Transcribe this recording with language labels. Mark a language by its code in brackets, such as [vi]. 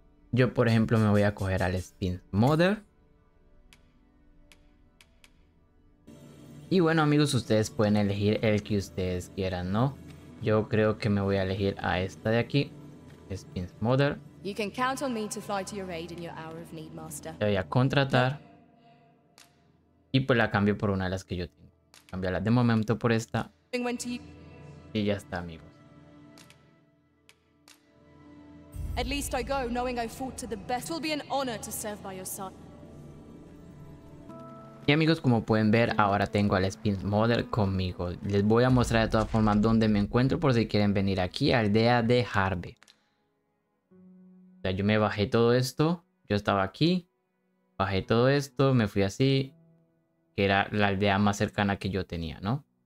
[es] Yo, por ejemplo, me voy a coger al Spin Mother. Y bueno, amigos, ustedes pueden elegir el que ustedes quieran, ¿no? Yo creo que me voy a elegir a esta de aquí, Spin Mother. [en] You can count on me to fly to your aid in your hour of need, master. [es] Le voy a contratar. Y pues la cambio por una de las que yo tengo. Cambiarla de momento por esta. Y ya está, amigos. [en] At least I go knowing I fought to the best. It will be an honor to serve by your side. [es] Y amigos, como pueden ver, ahora tengo al Spin Mother conmigo. Les voy a mostrar de todas formas dónde me encuentro por si quieren venir aquí, aldea de Harvey. O sea, yo me bajé todo esto, yo estaba aquí, bajé todo esto, me fui así, que era la aldea más cercana que yo tenía, ¿no?